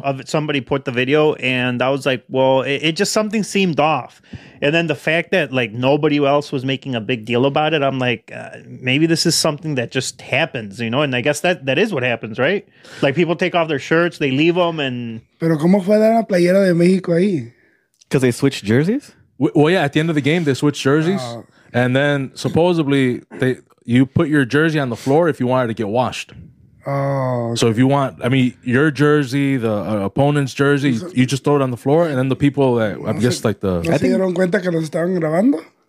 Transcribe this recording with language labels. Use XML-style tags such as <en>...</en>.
<en>Of somebody put the video, and I was like, well, it just something seemed off. And then the fact that like nobody else was making a big deal about it, I'm like, maybe this is something that just happens, you know? And I guess that is what happens, right? Like people take off their shirts, they leave them, and...</en> <es>Pero ¿cómo fue dar la playera de México ahí?</es> <en>Because they switched jerseys? Well, yeah, at the end of the game, they switched jerseys. And then supposedly they... You put your jersey on the floor if you wanted to get washed. Oh. Okay. So if you want, I mean, your jersey, the opponent's jersey, you just throw it on the floor, and then the people that, I guess, like the...</en> <es>¿No se dieron cuenta que los estaban grabando?</es>